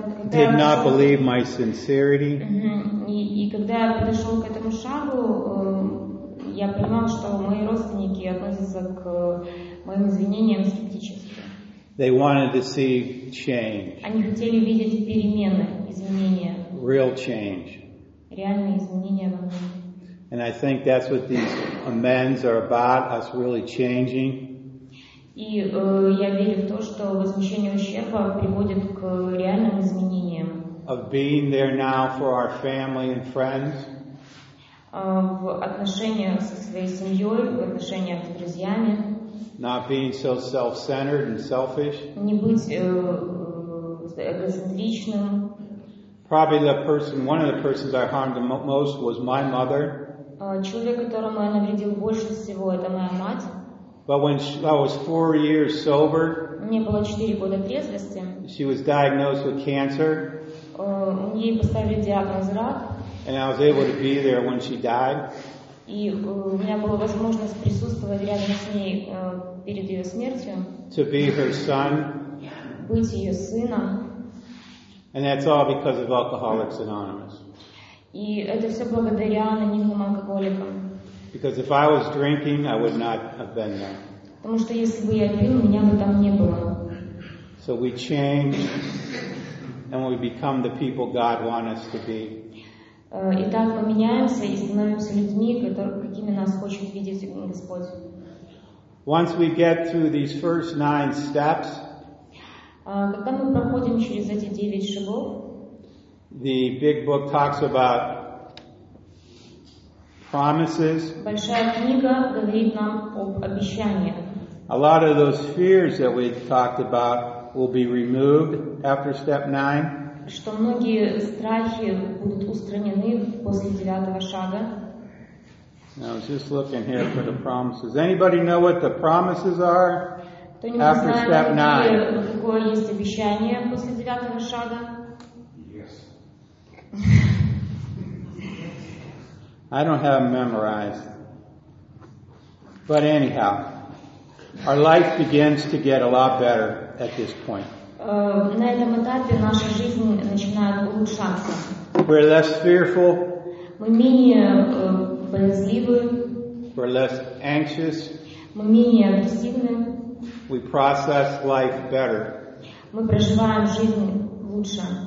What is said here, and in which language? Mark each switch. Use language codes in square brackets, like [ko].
[en] Did not believe my sincerity. [ru] И когда я подошел к этому шагу, я понимал, что мои родственники относятся к моим извинениям скептически. [en] They wanted to see change. [ru] Они хотели видеть перемены, изменения. [en] Real change. [ru] Реальные изменения во мне. [en] And I think that's what these amends are about, us really changing. [ru] И я верю в то, что возмещение ущерба приводит к реальным изменениям. [en] Of being there now for our family and friends. [ru] В отношениях со своей семьей, в отношениях с друзьями. [en] Not being so self-centered and selfish. [ru] Не быть эгоцентричным. [en] Probably one of the persons I harmed the most was my mother. [ru] Человек, которому я навредил больше всего, это моя мать. [en] But when I was 4 years sober, [ru] мне было 4 года трезвости, [en] she was diagnosed with cancer, [ru] ей поставили диагноз рак, [en] and I was able to be there when she died. [ru] И у меня была возможность присутствовать рядом с ней перед ее смертью, [en] to be her son, [ru] быть ее сыном, [en] and that's all because of Alcoholics Anonymous. [ru] И это все благодаря анонимным алкоголикам. [en] Because if I was drinking, I would not have been there. [ru] Потому что если бы я пил, меня бы там не было. [en] So we change and we become the people God wants us to be. [ru] Итак, мы меняемся и становимся людьми, какими нас хочет видеть Господь. [en] Once we get through these first 9 steps, [ru] когда мы проходим через эти 9 шагов, [en] the big book talks about promises. [ru] Большая книга говорит нам об обещаниях. [en] A lot of those fears that we talked about will be removed after step 9. [ru] Что многие страхи будут устранены после девятого шага. [en] Now, I was just looking here for the promises. Anybody know what the promises are? [ru] Кто-нибудь [en] after [ru] знает, [en] step 9. [ru] Какое есть обещание после девятого шага? [en] I don't have them memorized. But anyhow, our life begins to get a lot better at this point. [ru] На этом этапе наша жизнь начинает улучшаться. [en] We're less fearful. [ru] Мы менее боязливы. [en] We're less anxious. [ru] Мы менее агрессивны. [en] We process life better. [ru] Мы проживаем жизнь лучше.